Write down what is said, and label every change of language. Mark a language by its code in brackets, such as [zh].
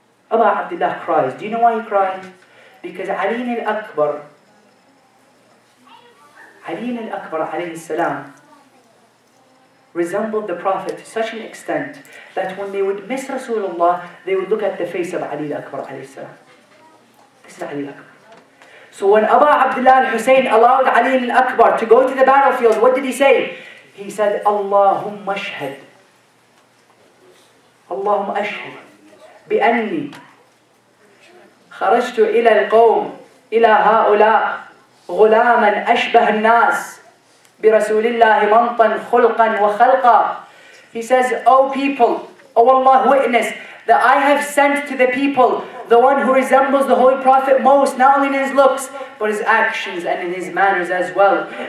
[en] Abu Abdullah cries. Do you know why he cried? Because Ali al-Akbar alayhi salam, resembled the Prophet to such an extent that when they would miss Rasulullah, they would look at the face of Ali al-Akbar alayhi salam. This is Ali al-Akbar. So when Abu Abdullah al-Husayn allowed Ali al-Akbar to go to the battlefield, what did he say? [ar] He said, Allahumma ashhad. Allahumma ashhad. بأني خرجت إلى القوم إلى هؤلاء غلاما أشبه الناس برسول الله منطا خلقا وخلقا. [en] He says, O people, O Allah witness, that I have sent to the people the one who resembles the Holy Prophet most, not only in his looks, but his actions and in his manners as well.